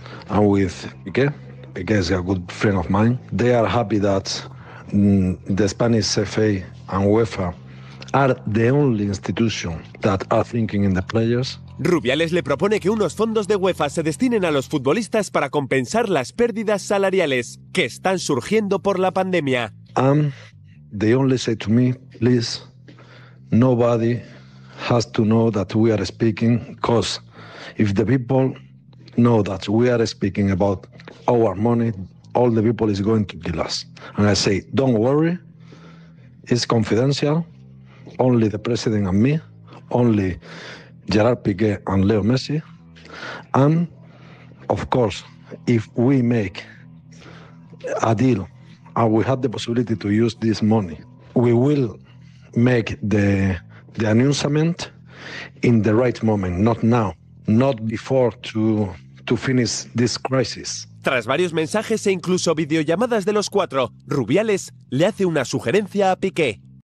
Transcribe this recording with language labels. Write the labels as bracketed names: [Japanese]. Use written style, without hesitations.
[English] And with Piqué, Piqué is a good friend of mine. They are happy that the Spanish FA and UEFA are the only institution that are thinking in the players. [Spanish] Rubiales le propone que unos fondos de UEFA se destinen a los futbolistas para compensar las pérdidas salariales que están surgiendo por la pandemia. [English] They only say to me, please, nobody has to know that we are speaking, because if the people know that we are speaking about our money, all the people is going to kill us. And I say, don't worry, it's confidential, only the president and me, only Gerard Piqué and Leo Messi. And of course, if we make a deal and we have the possibility to use this money, we will make the announcement in the right moment, not now, not before to finish this crisis. [Spanish] Tras varios mensajes e incluso videollamadas de los cuatro, Rubiales le hace una sugerencia a Piqué.